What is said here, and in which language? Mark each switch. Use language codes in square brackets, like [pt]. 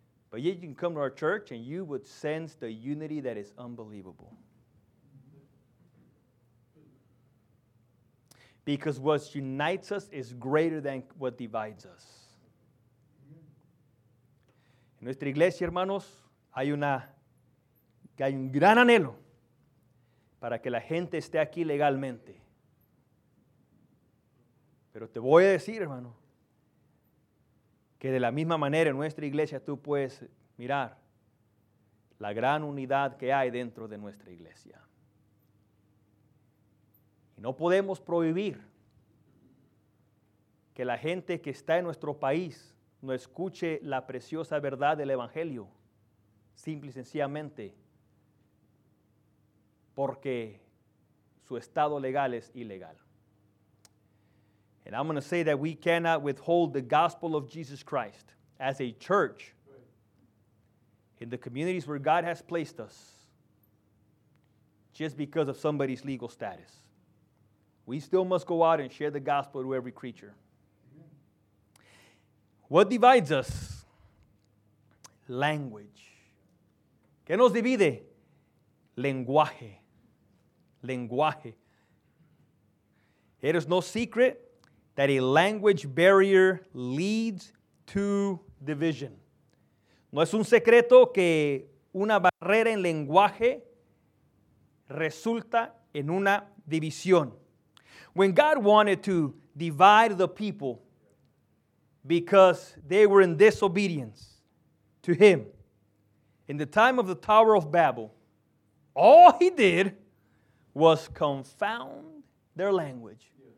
[en] But yet you can come to our church and you would sense the unity that is unbelievable. Because what unites us is greater than what divides us. [es] En nuestra iglesia, hermanos, hay un gran anhelo para que la gente esté aquí legalmente. Pero te voy a decir, hermano, que de la misma manera en nuestra iglesia tú puedes mirar la gran unidad que hay dentro de nuestra iglesia. Y no podemos prohibir que la gente que está en nuestro país no escuche la preciosa verdad del Evangelio, simple y sencillamente, porque su estado legal es ilegal. [en] And I'm going to say that we cannot withhold the gospel of Jesus Christ as a church in the communities where God has placed us just because of somebody's legal status. We still must go out and share the gospel to every creature. What divides us? Language. [es] ¿Qué nos divide? Lenguaje. Lenguaje. [en] It is no secret that a language barrier leads to division. [es] No es un secreto que una barrera en lenguaje resulta en una división. [en] When God wanted to divide the people because they were in disobedience to Him, in the time of the Tower of Babel, all He did was confound their language.